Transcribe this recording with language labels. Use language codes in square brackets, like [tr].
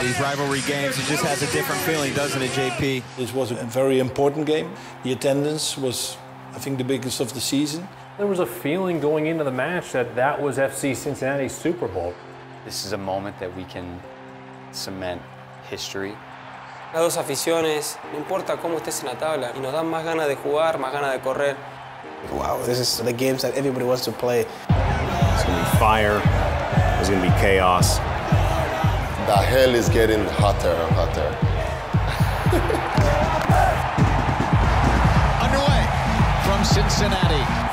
[en] These rivalry games, it just has a different feeling, doesn't it, JP? This was a very important game. The attendance was, I think, the biggest of the season. There was a feeling going into the match that that was FC Cincinnati's Super Bowl. This is a moment that we can cement history. [es] Las dos aficiones, no importa cómo estés en la tabla, y nos dan más ganas de jugar, más ganas de correr. [en] Wow, this is the games that everybody wants to play. It's gonna be fire, it's gonna be chaos. The hell is getting hotter and hotter. Underway from Cincinnati.